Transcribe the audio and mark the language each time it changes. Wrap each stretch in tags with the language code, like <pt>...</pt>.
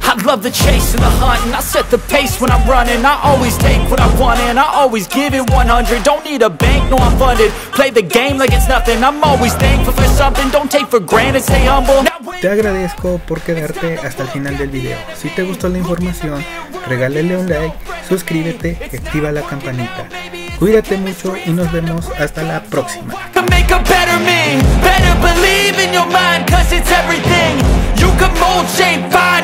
<en>Love the chase and the hunt, and I set the pace when I'm running. I always take what I want and I always give it 100. Don't need a bank, no, I'm funded. Play the game like it's nothing. I'm always thankful for something. Don't take for granted, stay humble.</en> <es>Te agradezco por quedarte hasta el final del video. Si te gustó la información, regálale un like, suscríbete y activa la campanita. Cuídate mucho y nos vemos hasta la próxima.</es> <en>Make a better me, better believe in your mind, cause it's everything. You can mold shape.</en>